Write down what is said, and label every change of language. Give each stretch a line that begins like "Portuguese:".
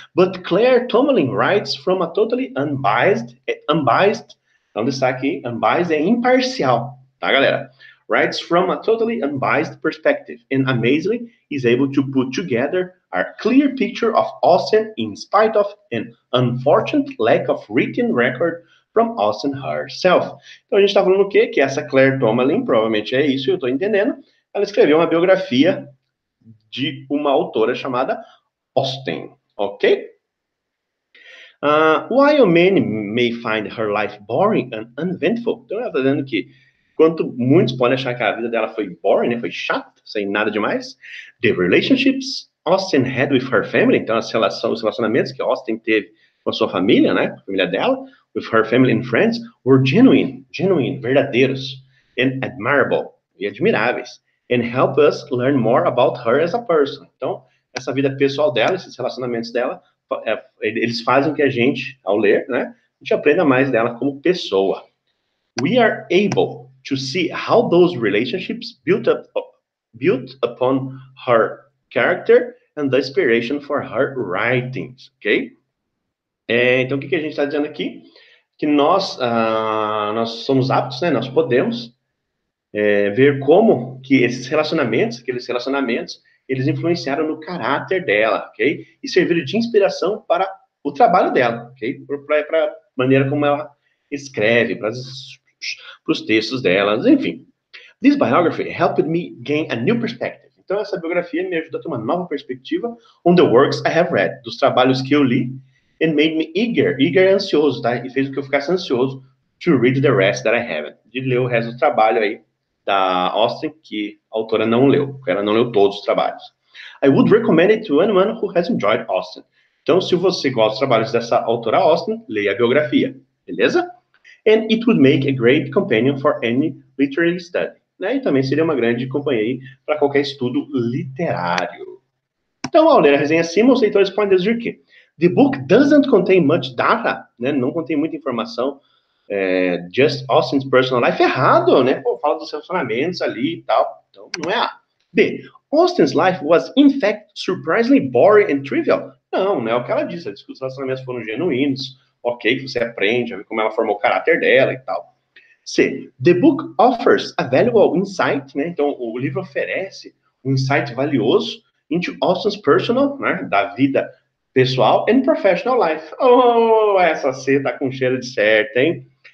English: But Claire Tomlin writes from a totally unbiased.
Portuguese: Então, destaque aqui, unbiased é imparcial, tá, galera?
English: Writes from a totally unbiased perspective and amazingly is able to put together a clear picture of Austen in spite of an unfortunate lack of written record from Austen herself.
Portuguese: Então a gente está falando o quê? Que essa Claire Tomlin, provavelmente é isso, eu estou entendendo, ela escreveu uma biografia de uma autora chamada Austen, ok?
English: While many may find her life boring and uneventful,
Portuguese: então ela está dizendo que. Quanto muitos podem achar que a vida dela foi boring, né? Foi chata, sem nada demais.
English: The relationships Austen had with her family,
Portuguese: então as relações, os relacionamentos que Austen teve com a sua família, né? Com a família dela.
English: With her family and friends were genuine. Genuine, verdadeiros. And admirable.
Portuguese: E admiráveis.
English: And help us learn more about her as a person.
Portuguese: Então, essa vida pessoal dela, esses relacionamentos dela, eles fazem que a gente, ao ler, né, a gente aprenda mais dela como pessoa.
English: We are able to see how those relationships built upon her character and the inspiration for her writings, ok?
Portuguese: Então, o que a gente está dizendo aqui? Que nós somos aptos, né, nós podemos ver como que esses relacionamentos, eles influenciaram no caráter dela, ok? E serviram de inspiração para o trabalho dela, ok? Para a maneira como ela escreve, para os textos dela, enfim.
English: This biography helped me gain a new perspective.
Portuguese: Então, essa biografia me ajudou a ter uma nova perspectiva
English: on the works I have read,
Portuguese: dos trabalhos que eu li,
English: and made me eager,
Portuguese: ansioso, tá? E fez com que eu ficasse ansioso
English: to read the rest that I haven't.
Portuguese: De ler o resto do trabalho aí da Austin, que a autora não leu, porque ela não leu todos os trabalhos.
English: I would recommend it to anyone who has enjoyed Austin.
Portuguese: Então, se você gosta dos trabalhos dessa autora Austin, leia a biografia, beleza?
English: And it would make a great companion for any literary study.
Portuguese: Né? E também seria uma grande companhia para qualquer estudo literário. Então, ao ler a resenha acima, os leitores podem dizer que
English: the book doesn't contain much data,
Portuguese: né? Não contém muita informação.
English: Just Austin's personal life.
Portuguese: Errado, né? Pô, fala dos relacionamentos ali e tal. Então, não é A. B.
English: Austin's life was, in fact, surprisingly boring and trivial.
Portuguese: Não, né? O que ela disse. Ela disse que os relacionamentos foram genuínos. Ok, que você aprende a ver como ela formou o caráter dela e tal. C.
English: The book offers a valuable insight, né?
Portuguese: Então, o livro oferece um insight valioso
English: into Austin's personal, né?
Portuguese: Da vida pessoal
English: and professional life.
Portuguese: Oh, essa C tá com cheiro de certo, hein?